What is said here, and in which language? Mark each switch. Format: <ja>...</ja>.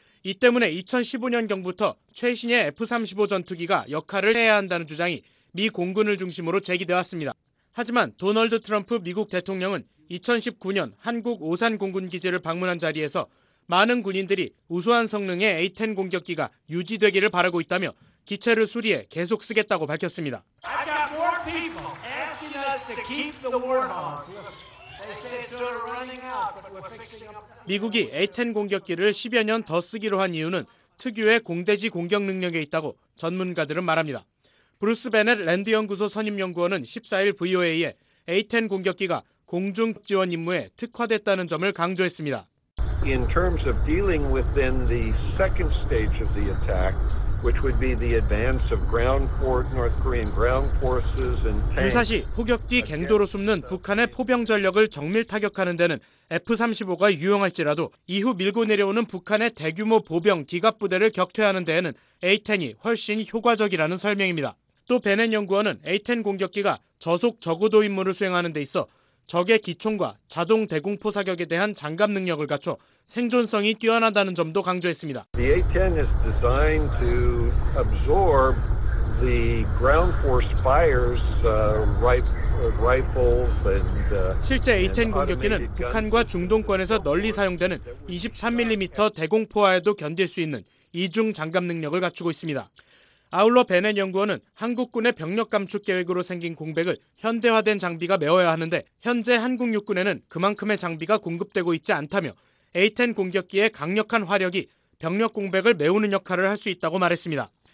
<ko>이 때문에 2015년경부터 최신의 F-35 전투기가 역할을 해야 한다는 주장이 미 공군을 중심으로 제기되어 왔습니다. 하지만 도널드 트럼프 미국 대통령은 2019년 한국 오산 공군기지를 방문한 자리에서 많은 군인들이 우수한 성능의 A-10 공격기가 유지되기를 바라고 있다며 기체를 수리해 계속 쓰겠다고 밝혔습니다.</ko> <en>I've got more people asking us to keep the war on.</en> <ko>미국이 A-10 공격기를 10여 년 더 쓰기로 한 이유는 특유의 공대지 공격 능력에 있다고 전문가들은 말합니다. 브루스 베넷 랜드 연구소 선임 연구원은 14일 VOA에 A-10 공격기가 공중 지원 임무에 특화됐다는 점을 강조했습니다.</ko> <en>In terms of dealing within the second stage of the attack, which would be the advance of ground force, North Korean ground forces and tanks.</en> <ko>유사시 포격 뒤 갱도로 숨는 북한의 포병 전력을 정밀 타격하는 데는 F-35가 유용할지라도 이후 밀고 내려오는 북한의 대규모 보병 기갑 부대를 격퇴하는 데에는 A-10이 훨씬 효과적이라는 설명입니다. 또 베넷 연구원은 A-10 공격기가 저속 저고도 임무를 수행하는 데 있어 적의 기총과 자동 대공포 사격에 대한 장갑 능력을 갖춰 생존성이 뛰어나다는 점도 강조했습니다.</ko> <en>The A-10 is designed to absorb the ground force fires, rifles and</en> <ko>실제 A-10 공격기는 북한과 중동권에서 널리 사용되는 23mm 대공포와에도 견딜 수 있는 이중 장갑 능력을 갖추고 있습니다. 아울러 베넷 연구원은 한국군의 병력 감축 계획으로 생긴 공백을 현대화된 장비가 메워야 하는데 현재 한국 육군에는 그만큼의 장비가 공급되고 있지 않다며 A-10 공격기의 강력한 화력이 병력 공백을 메우는 역할을 할 수 있다고 말했습니다.</ko>